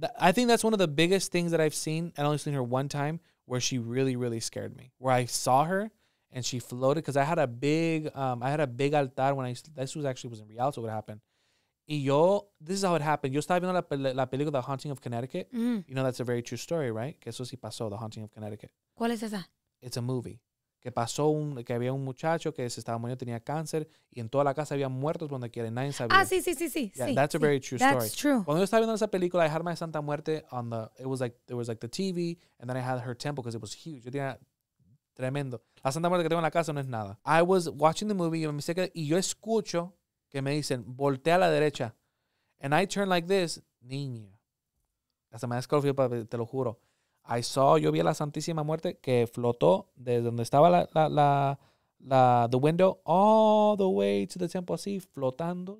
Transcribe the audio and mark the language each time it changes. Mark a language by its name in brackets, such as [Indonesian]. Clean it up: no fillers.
[English] I think that's one of the biggest things that I've seen. I only seen her one time where she really, really scared me. Where I saw her and she floated, because I had a big altar when I used to, this was actually was in Rialto what happened. [Spanish] Y yo, [English] this is how it happened. [Spanish] Yo estaba viendo la película The Haunting of Connecticut. Mm. [English] You know that's a very true story, right? [Spanish] Que eso sí pasó, The Haunting of Connecticut. ¿Cuál es esa? [English] It's a movie. [Spanish] Que pasó un, que había un muchacho que se estaba muriendo, tenía cáncer, y en toda la casa había muertos donde quiera, nadie sabía. Ah, sí, sí, sí, sí. [English] Yeah, [Spanish] sí, [English] that's a [Spanish] sí, [English] very true story. That's true. [Spanish] Cuando yo estaba viendo esa película, [English] I had my Santa Muerte on the, it was like, there was like the TV, and then I had her temple because it was huge. [Spanish] Yo tenía, tremendo. La Santa Muerte que tengo en la casa no es nada. [English] I was watching the movie, [Spanish] y me dice que, y yo escucho que me dicen, voltea a la derecha. [English] And I turn like this, niña. [Spanish] Hasta me escalofrío, te lo juro. I saw, yo vi a la Santísima Muerte que flotó desde donde estaba [English] the window all the way to the temple, [Spanish] así, flotando.